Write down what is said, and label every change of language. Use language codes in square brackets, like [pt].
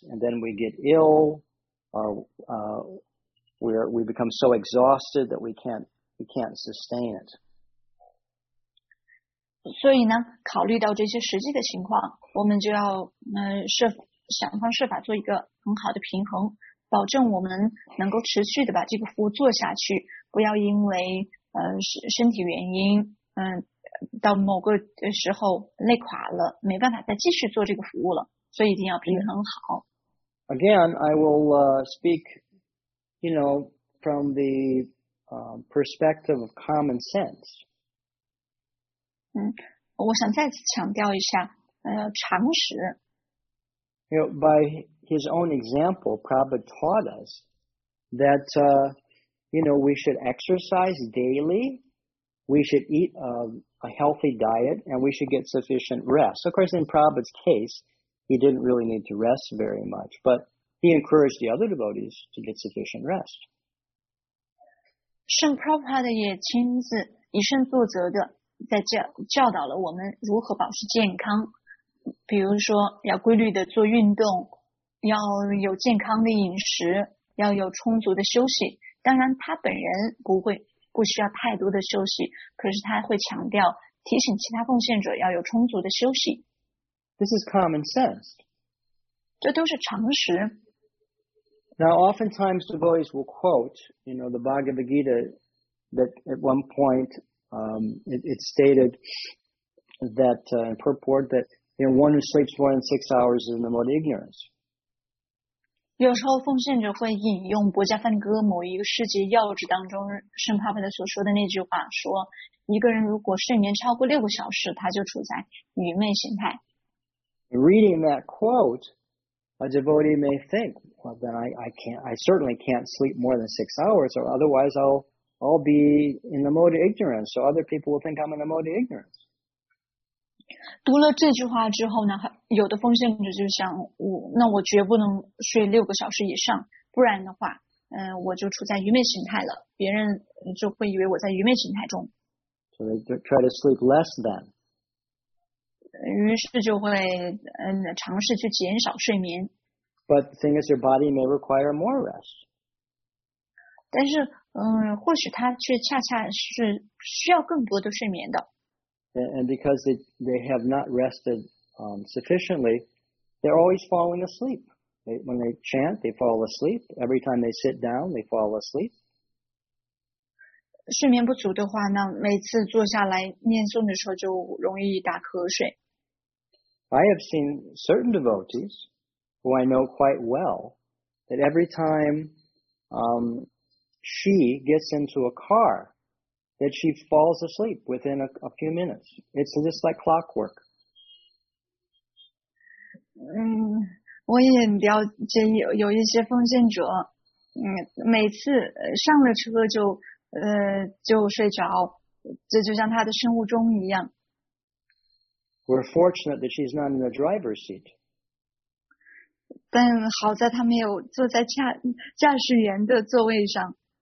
[en] And then we get ill or we become so exhausted that we can't sustain it. [zh] 所以呢，考虑到这些实际的情况，我们就要想方设法做一个很好的平衡，保证我们能够持续的把这个服务做下去，不要因为身体原因到某个时候累垮了，没办法再继续做这个服务了，所以一定要平衡好。 [en] Again, I will speak, you know, from the perspective of common sense. [zh] 我想再次强调一下，常识。 [en] You know, by his own example, Prabhupada taught us that, you know, we should exercise daily, we should eat a healthy diet, and we should get sufficient rest. Of course, in Prabhupada's case, he didn't really need to rest very much, but he encouraged the other devotees to get sufficient rest. [zh] 圣 Prabhupada 也亲自以身作则的在教导了我们如何保持健康，比如说要规律的做运动，要有健康的饮食，要有充足的休息。当然他本人不需要太多的休息，可是他会强调提醒其他奉献者要有充足的休息。 [en] This is common sense. [zh] 这都是常识。 [en] Now, oftentimes devotees will quote, you know, the Bhagavad Gita, that at one point it stated that, in purport, that, you know, one who sleeps more than 6 hours is in the mode of ignorance. [zh] 有时候奉献者会引用《薄伽梵歌》某一个世界要旨当中圣帕帕的所说的那句话，说一个人如果睡眠超过6个小时，他就处在愚昧形态。 [en] Reading that quote, a devotee may think, well, then I certainly can't sleep more than 6 hours, or otherwise I'll be in the mode of ignorance, so other people will think I'm in the mode of ignorance. [zh] 读了这句话之后呢，有的奉献者就想，那我绝不能睡6个小时以上，不然的话，我就处在愚昧形态了，别人就会以为我在愚昧形态中。 [en] So they try to sleep less than. [zh] 于是就会尝试去减少睡眠。 [en] But the thing is, your body may require more rest. [zh] 但是或许他却恰恰是需要更多的睡眠的。 [en] And because they have not rested sufficiently, they're always falling asleep. When they chant, they fall asleep. Every time they sit down, they fall asleep. [zh] 睡眠不足的话，那每次坐下来念诵的时候就容易打瞌睡。 [en] I have seen certain devotees who I know quite well that every time She gets into a car that she falls asleep within a few minutes. It's just like clockwork. [zh] 我也了解有一些奉献者，每次上了车就睡着，这就像他的生物钟一样。 [en] We're fortunate that she's not in the driver's seat. [zh] 但好在他没有坐在驾驶员的座位上。